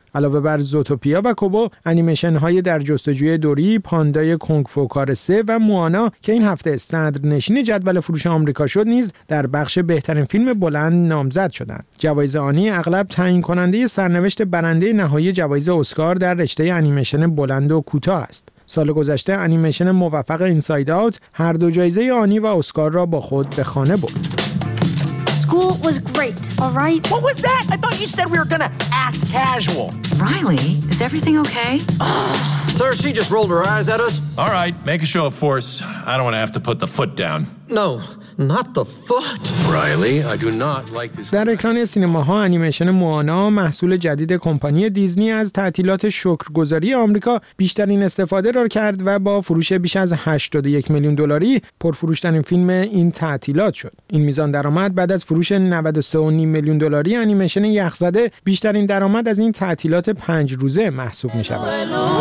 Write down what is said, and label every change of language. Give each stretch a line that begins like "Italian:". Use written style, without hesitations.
Persian: علاوه بر زوتوپیا و کوبو انیمیشن های در جستجوی دوری پاندای کونگ فو کار 3 و موانا که این هفته صدر نشین جدول فروش آمریکا شد نیز در بخش بهترین فیلم بلند نامزد شدند. جوایز آنی اغلب تعیین کننده سرنوشت برنده نهایی جوایز اسکار در رشته انیمیشن بلند و کوتاه است. سال گذشته انیمیشن موفق اینساید آوت هر دو جایزه آنی و اسکار را با خود به خانه برد.
English: School was great, all right? What was that? I thought you said we were gonna act casual. Riley, is everything okay? Sir, she just rolled her eyes at us. All right, make a show of force. I don't want to have to put the foot down. No, not the foot. Riley, I do not like this.
Persian: در اکران سینماها انیمیشن موانا، محصول جدید کمپانی دیزنی از تعطیلات شکرگزاری آمریکا، بیشترین استفاده را کرد و با فروش بیش از 81 میلیون دلاری پرفروش‌ترین فیلم این تعطیلات شد. این میزان درآمد بعد از فروش 93.5 میلیون دلاری انیمیشن یخ‌زده، بیشترین درآمد از این تعطیلات 5 روزه محسوب می‌شود.